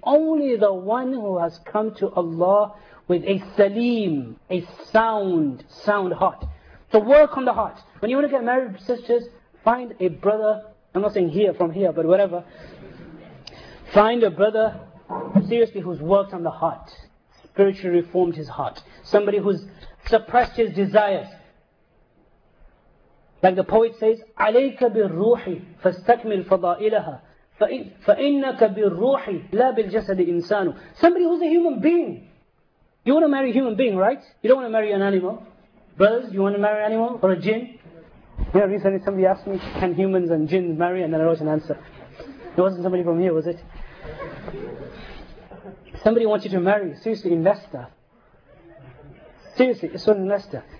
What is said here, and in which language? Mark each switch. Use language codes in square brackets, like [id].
[en] Only the one who has come to Allah with a salim, a sound heart. So work on the heart. When you want to get married, sisters, find a brother. I'm not saying here, from here, but whatever. Find a brother, seriously, who's worked on the heart, spiritually reformed his heart. Somebody who's suppressed his desires. [ar] Like the poet says, عَلَيْكَ بِالْرُوحِ فَاسْتَكْمِلْ فَضَائِلَهَا فَإِنَّكَ بِالْرُوحِ لَا بِالْجَسَدِ إِنسَانُ. [en] Somebody who's a human being. You want to marry a human being, right? You don't want to marry an animal. Brothers, you want to marry an animal or a jinn? Yeah, recently somebody asked me, can humans and jinns marry? And then I wrote an answer. It wasn't somebody from here, was it? Somebody wants you to marry, seriously, in Leicester. Seriously, it's in Leicester.